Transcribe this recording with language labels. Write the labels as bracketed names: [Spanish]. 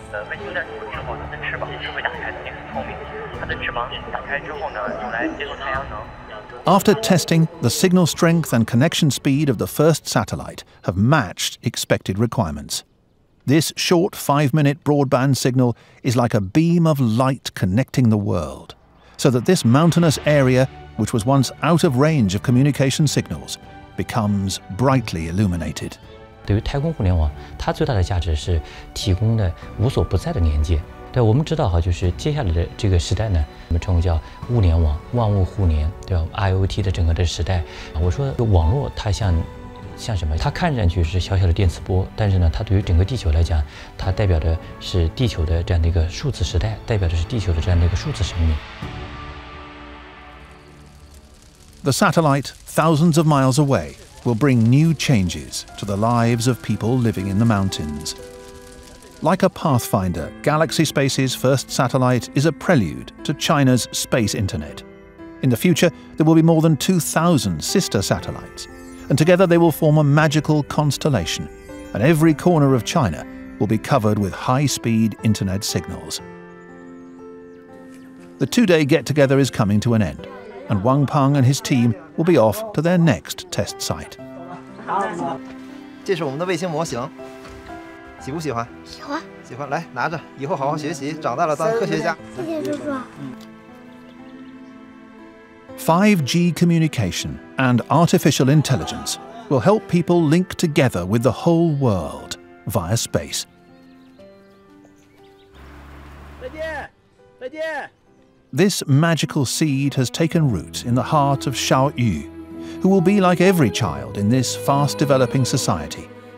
[Chinese] 卫星在空中后，它的翅膀是会打开的，也很聪明。它的翅膀打开之后呢，用来接收太阳能。 [English] After testing, the signal strength and connection speed of the first satellite have matched expected requirements. This short 5-minute broadband signal is like a beam of light connecting the world, so that this mountainous area, which was once out of range of communication signals, becomes brightly illuminated. [Chinese] 对于太空互联网，它最大的价值是提供的无所不在的连接。对，我们知道哈，就是接下来的这个时代呢，我们称为叫物联网，万物互联，对吧 ？IoT 的整个的时代，我说网络它像什么？它看上去是小小的电磁波，但是呢，它对于整个地球来讲，它代表的是地球的这样的一个数字时代，代表的是地球的这样的一个数字生命。 [English] The satellite, thousands of miles away, will bring new changes to the lives of people living in the mountains. Like a pathfinder, Galaxy Space's first satellite is a prelude to China's space internet. In the future, there will be more than 2,000 sister satellites, and together they will form a magical constellation, and every corner of China will be covered with high-speed internet signals. The two-day get-together is coming to an end, and Wang Peng and his team will be off to their next test site. This is our satellite model. [Chinese] 喜不喜欢？喜欢，喜欢。来，拿着，以后好好学习，长大了当科学家。谢谢叔叔。 [English] 5G communication and artificial intelligence will help people link together with the whole world via space. [Chinese] 再见，再见。 [English] This magical seed has taken root in the heart of Xiao Yu, who will be like every child in this fast-developing society.